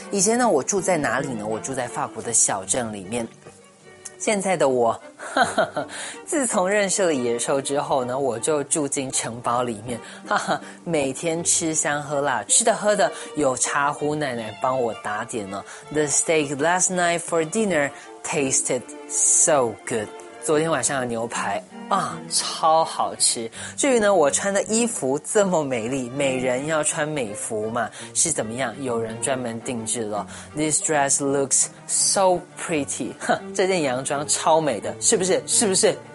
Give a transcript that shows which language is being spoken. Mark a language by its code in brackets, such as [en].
[zh] 以前呢，我住在哪里呢？我住在法国的小镇里面。现在的我，自从认识了野兽之后呢，我就住进城堡里面，哈哈，每天吃香喝辣，吃的喝的有茶壶奶奶帮我打点呢。 [en] The steak last night for dinner tasted so good. [zh] 昨天晚上的牛排啊，超好吃。至于呢，我穿的衣服这么美丽，美人要穿美服嘛，是怎么样？有人专门定制了。 [en] This dress looks so pretty， [zh] 这件洋装超美的，是不是？是不是？